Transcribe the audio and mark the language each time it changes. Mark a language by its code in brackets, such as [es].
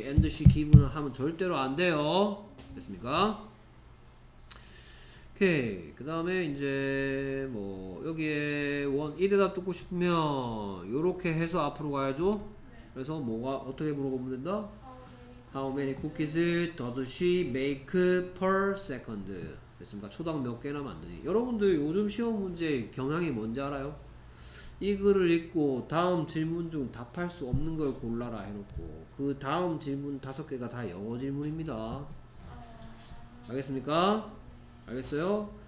[en] and she give [ko] 는 하면 절대로 안 돼요. 됐습니까? 오케이. 그 다음에 이제 뭐 여기에 원 이 대답 듣고 싶으면 요렇게 해서 앞으로 가야죠. 네. 그래서 뭐가 어떻게 물어보면 된다? [en] How many cookies does she make per second? [ko] 됐습니까? 초당 몇 개나 만드니? 여러분들 요즘 시험 문제 경향이 뭔지 알아요? 이 글을 읽고 다음 질문 중 답할 수 없는 걸 골라라 해놓고 그 다음 질문 다섯 개가 다 영어 질문입니다. 알겠습니까? 알겠어요?